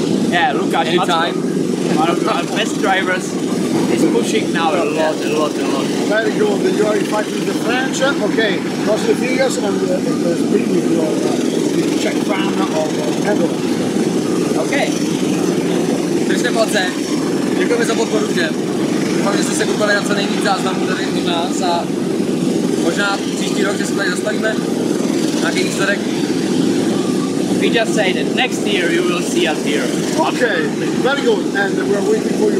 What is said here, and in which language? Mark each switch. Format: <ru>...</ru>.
<en>Yeah, Lukasz, anytime. One of our best drivers is pushing now a lot. Very good, you are fighting the French. Okay, cross your fingers and bring me your Czech fan of Edel.</en> <cs>Okay. Držte palce. Děkujeme za podporu všem. Doufám, že jste se koukali na co nejvíc záznamů tady u nás a možná příští rok, že se tady zastavíme. Nějaký výsledek.</cs> <en>We just say that next year you will see us here. Okay, very good. And we are waiting for you.</en>